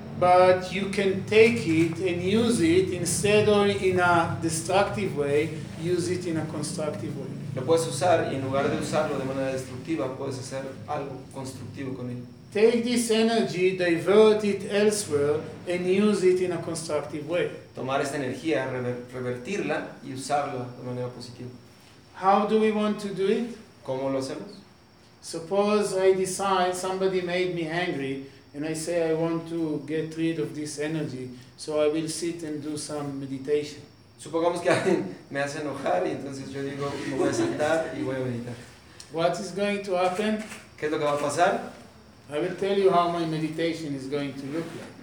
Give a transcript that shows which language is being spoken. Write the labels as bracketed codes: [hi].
[en] But you can take it and use it instead of in a destructive way, use it in a constructive way. [es] Lo puedes usar y en lugar de usarlo de manera destructiva, puedes hacer algo constructivo con él. [en] Take this energy, divert it elsewhere and use it in a constructive way. [es] Tomar esta energía, revertirla y usarla de manera positiva. [en] How do we want to do it? [es] ¿Cómo lo hacemos? [en] Suppose I decide somebody made me angry and I say I want to get rid of this energy, so I will sit and do some meditation. [es] Supongamos que alguien me hace enojar y entonces yo digo me voy a sentar y voy a meditar. [en] What is going to happen? [es] ¿Qué es lo que va a pasar? [en] I will tell you how my meditation is going to look like.